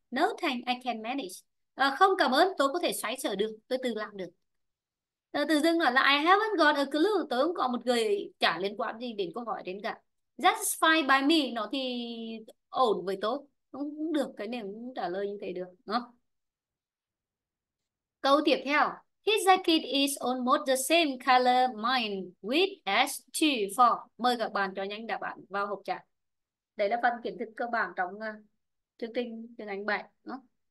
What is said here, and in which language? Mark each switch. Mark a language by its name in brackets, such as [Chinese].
[Vietnamese] No thanks, I can manage. À, không cảm ơn, tôi có thể xoay sở được, tôi tự làm được. À, tự dưng nói là [English] I haven't got a clue, [Vietnamese] tôi không có một người chả liên quan gì đến câu hỏi đến cả. [English] That's fine by me, [Vietnamese] nó thì ổn với tôi. Không được cái này cũng trả lời như thế được. Đó. Câu tiếp theo. [English] His jacket is almost the same color mine with S2 for. [Vietnamese] Mời các bạn cho nhanh đáp án vào hộp trả. Đấy là phần kiến thức cơ bản trong chương trình tiếng Anh 7. Đó.